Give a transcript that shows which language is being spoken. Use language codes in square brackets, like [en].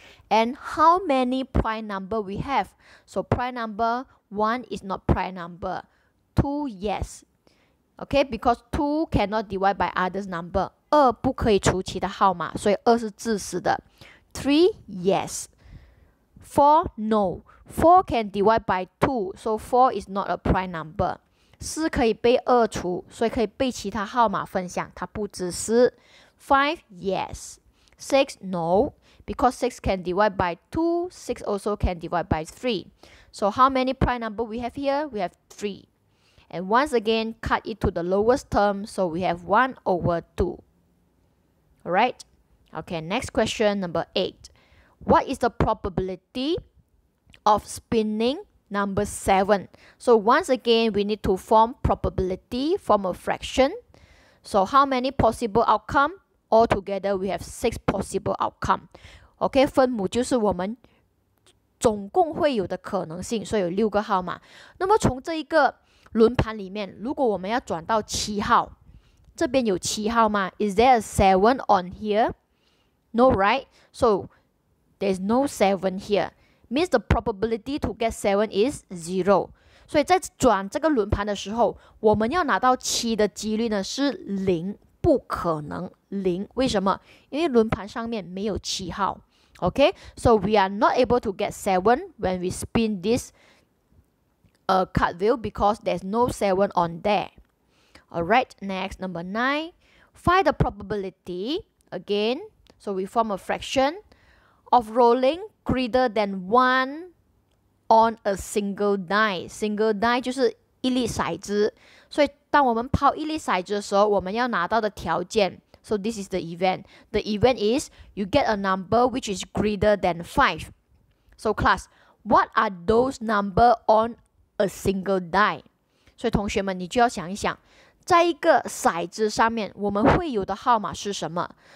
[en] And how many prime number we have? So prime number 1 is not prime number. 2, yes. Okay, because 2 cannot divide by others' number. [zh] 2不可以除其的号码, 所以2是自私的. [en] 3, yes. 4, no. 4 can divide by 2, so 4 is not a prime number. [zh] 4可以被2除, 所以可以被其他号码分享, 它不自私. [en] 5, yes. 6, no. Because 6 can divide by 2, 6 also can divide by 3. So how many prime number we have here? We have 3. And once again, cut it to the lowest term, so we have 1/2. Alright? Okay, next question, number 8. What is the probability of spinning number 7? So once again, we need to form probability, form a fraction. So how many possible outcome? Altogether, we have 6 possible outcome. [zh] Okay, 分母就是我们总共会有的可能性, 所以有6个号码. 那么从这一个 轮盘里面，如果我们要转到7号， 这边有7号吗？ [en] Is there a 7 on here? No, right? So, there's no 7 here. Means the probability to get 7 is 0. [zh] 所以在转这个轮盘的时候，我们要拿到七的几率呢是零，不可能零。为什么？因为轮盘上面没有七号。 [en] Okay, so we are not able to get 7 when we spin this card wheel because there's no 7 on there. Alright, next, number 9. Find the probability, again, so we form a fraction of rolling greater than 1 on a single die. [zh] Single die 就是一粒骰子。所以当我们抛一粒骰子的时候，我们要拿到的条件， [en] so this is the event. The event is you get a number which is greater than 5. So class, what are those number on a single die? [zh] 所以同学们，你就要想一想，在一个骰子上面，我们会有的号码是什么？